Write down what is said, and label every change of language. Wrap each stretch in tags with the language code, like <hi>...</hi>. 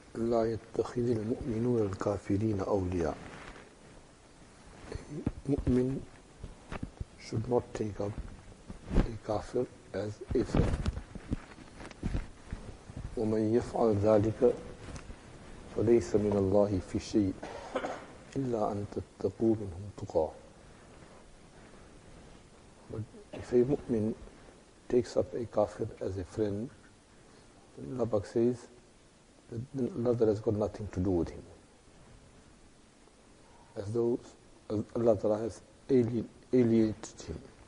<ar>لا يتخذ المؤمنون الكافرين أولياء.</ar> <en>مؤمن should not take up a kafir as a friend.</en> <ar>ومن يفعل ذلك فليس من الله في شيء إلا أن تتقوا منهم تقاة.</ar> <en>But if a mu'min takes up a kafir as a friend, then Allah Pak says that then Allah has got nothing to do with him. As though Allah Ta'ala has alienated him.</en>